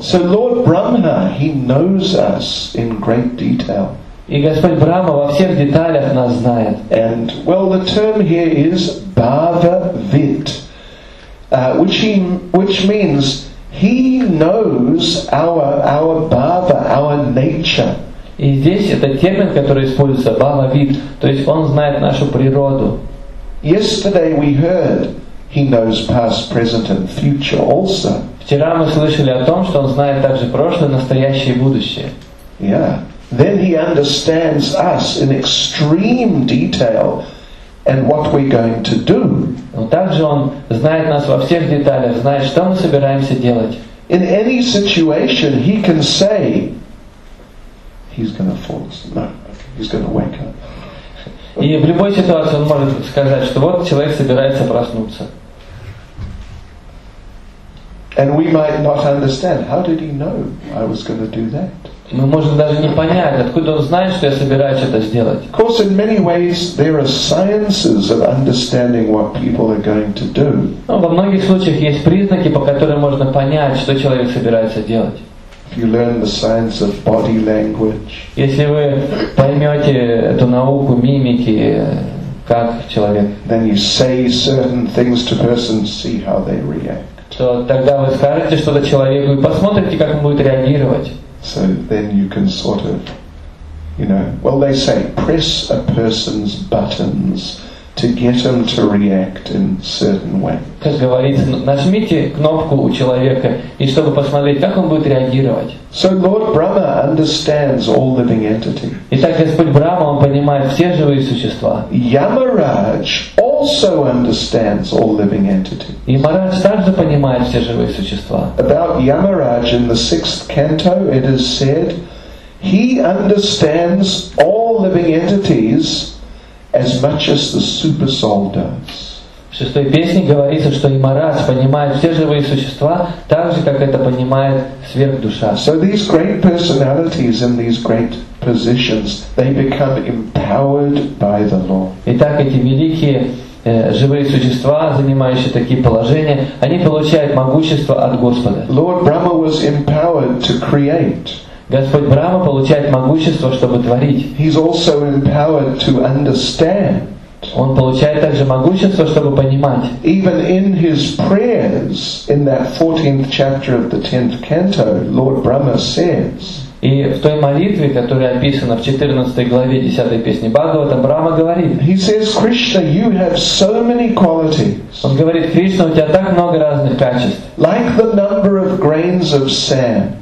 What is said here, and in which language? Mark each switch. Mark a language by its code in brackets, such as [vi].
[en] So Lord Brahma, he knows us in great detail. [ru] И Господь Брама во всех деталях нас знает. [en] And well, the term here is bhava-vit, which means he knows our bhava, our nature. [ru] И здесь это термин, который используется, bhava-vit, то есть он знает нашу природу. [en] Yesterday we heard he knows past, present, and future also. [ru] Вчера мы слышали о том, что он знает также прошлое, настоящее и будущее. [en] Yeah. Then he understands us in extreme detail and what we're going to do. [ru] Но также он знает нас во всех деталях, знает, что мы собираемся делать. [en] In any situation, he can say, he's going to fall asleep. No, he's going to wake up. [ru] И в любой ситуации он может сказать, что вот человек собирается проснуться. [en] And we might not understand, how did he know I was going to do that? [ru] Мы можем даже не понять, откуда он знает, что я собираюсь это сделать. [en] Of course, in many ways, there are sciences of understanding what people are going to do. [ru] Но во многих случаях есть признаки, по которым можно понять, что человек собирается делать. [en] If you learn the science of body language. [ru] Если вы поймете эту науку мимики, как человек. [en] Then you say certain things to persons, see how they react. [ru] То тогда вы скажете что-то человеку и посмотрите, как он будет реагировать. [en] So then you can sort of, you know, well, they say press a person's buttons to get them to react in certain way. [ru] Как говорится, нажмите кнопку у человека и чтобы посмотреть, как он будет реагировать. [en] So Lord Brahma understands all living entities. [ru] Итак, Господь Брама, он понимает все живые существа. [en] Yamaraj also understands all living entities. [ru] Yamaraj также понимает все живые существа. [en] About Yamaraj in the sixth canto, it is said, he understands all living entities as much as the super soul does. [ru] В шестой песне говорится, что Ямарадж понимает все живые существа так же, как это понимает сверхдуша. [en] So these great personalities in these great positions, they become empowered by the Lord. [ru] Итак, эти великие живые существа, занимающие такие положения, они получают могущество от Господа. [en] Lord Brahma was empowered to create. [ru] Господь Брахма получает могущество, чтобы творить. [en] He's also empowered to understand. [ru] Он получает также могущество, чтобы понимать. [en] Even in his prayers, in that 14th chapter of the 10th canto, Lord Brahma says. [ru] И в той молитве, которая описана в 14 главе 10 песни Бхагавата, Брахма говорит. [en] He says, Krishna, you have so many qualities. [ru] Он говорит, Кришна, у тебя так много разных качеств. [en] Like the number of grains of sand.